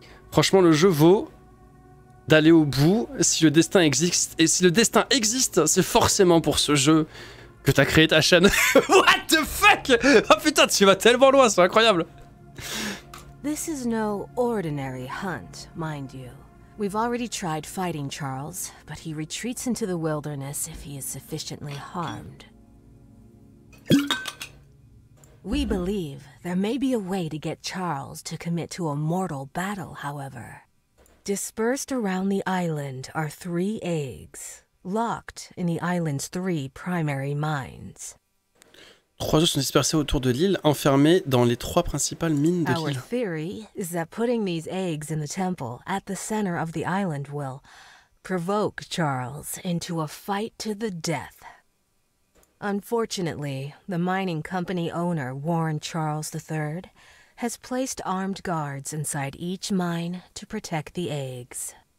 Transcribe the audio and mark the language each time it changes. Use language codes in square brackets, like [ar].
[fr] Franchement, le jeu vaut d'aller au bout si le destin existe. Et si le destin existe, c'est forcément pour ce jeu... que t'as créé ta chaîne. [en] What the fuck? [fr] Oh putain, tu vas tellement loin, c'est incroyable. [en] This is no ordinary hunt, mind you. We've already tried fighting Charles, but he retreats into the wilderness if he is sufficiently harmed. We believe there may be a way to get Charles to commit to a mortal battle, however. Dispersed around the island are 3 eggs. Locked in the island's 3 primary mines. [fr] 3 œufs sont dispersés autour de l'île, enfermés dans les 3 principales mines de l'île. [en] Our theory is that putting these eggs in the temple at the center of the island will provoke Charles into a fight to the death. Unfortunately, the mining company owner, Warren Charles III, has placed armed guards inside each mine to protect the eggs.